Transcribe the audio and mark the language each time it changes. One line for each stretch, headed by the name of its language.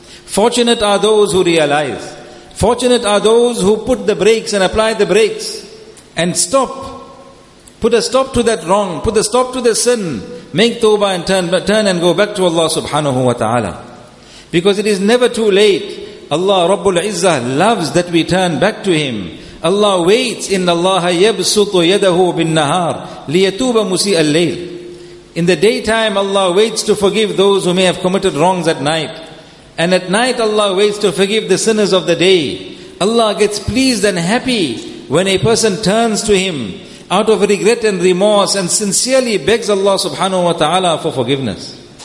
English: Fortunate are those who realize. Fortunate are those who put the brakes and apply the brakes and stop. Put a stop to that wrong. Put a stop to the sin. Make tawbah and turn and go back to Allah subhanahu wa ta'ala. Because it is never too late. Allah Rabbul Izzah loves that we turn back to Him. Allah waits,
Arabic: إِنَّ اللَّهَ يَبْسُطُ يَدَهُ بِالنَّهَارِ لِيَتُوبَ مُسِيءَ اللَّيْلِ.
English: In the daytime, Allah waits to forgive those who may have committed wrongs at night. And at night, Allah waits to forgive the sinners of the day. Allah gets pleased and happy when a person turns to Him out of regret and remorse and sincerely begs Allah subhanahu wa ta'ala for forgiveness.